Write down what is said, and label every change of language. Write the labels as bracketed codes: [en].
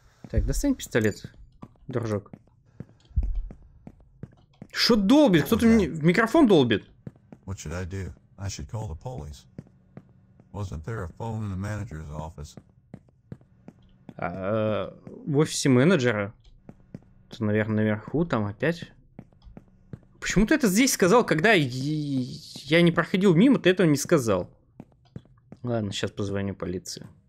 [ru] Так, достань пистолет, дружок. Что долбит? Кто-то мне в микрофон долбит. [en] What should I do? I should call the police. Wasn't there a phone in the manager's office? [ru] В офисе менеджера. Это, наверное, наверху там опять. Почему ты это здесь сказал, когда я не проходил мимо, ты этого не сказал. Ладно, сейчас позвоню полиции.